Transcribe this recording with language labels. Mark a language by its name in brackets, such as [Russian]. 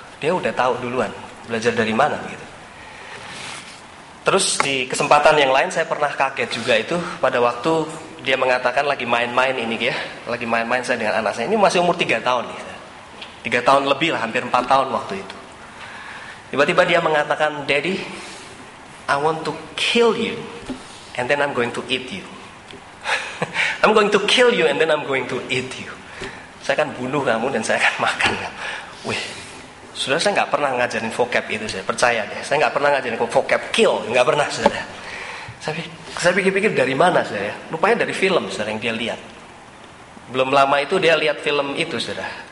[Indonesian] Dia udah tahu duluan, belajar dari mana, gitu. Terus di kesempatan yang lain saya pernah kaget juga itu pada waktu dia mengatakan lagi main-main ini, ya, lagi main-main saya dengan anak saya. Ini masih umur 3 tahun, nih, gitu. 3 tahun lebih lah, hampir 4 tahun waktu itu. Tiba-tiba dia mengatakan, [English] Daddy, I want to kill you, and then I'm going to eat you. I'm going to kill you, and then I'm going to eat you. [Indonesian] Saya akan bunuh kamu dan saya akan makan kamu. Wih, sudah saya nggak pernah ngajarin vocab itu, saya percaya deh. Saya nggak pernah ngajarin vocab kill, nggak pernah, saudara. Saya pikir-pikir dari mana, saudara? Rupanya dari film, saudara, yang dia lihat. Belum lama itu dia lihat film itu, saudara.